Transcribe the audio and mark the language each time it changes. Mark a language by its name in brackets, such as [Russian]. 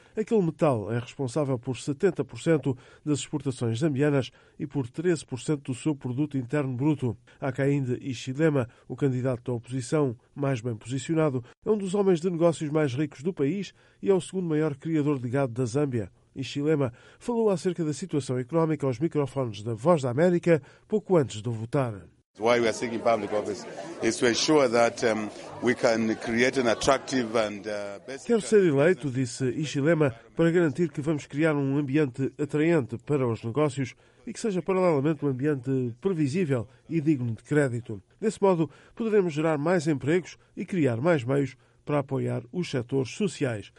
[Portuguese] Aquele metal é responsável por 70% das exportações zambianas e por 13% do seu produto interno bruto. Hakainde Hichilema, o candidato da oposição mais bem posicionado, é um dos homens de negócios mais ricos do país e é o segundo maior criador de gado da Zâmbia. Hichilema falou acerca da situação económica aos microfones da Voz da América pouco antes de votar. [English] Why we are seeking public office is to ensure that we can create an attractive and [Portuguese] Quero ser eleito, disse Hichilema, para garantir que vamos criar um ambiente atraente para os negócios e que seja paralelamente um ambiente previsível e digno de crédito. Desse modo, poderemos gerar mais empregos e criar mais meios para apoiar os setores sociais.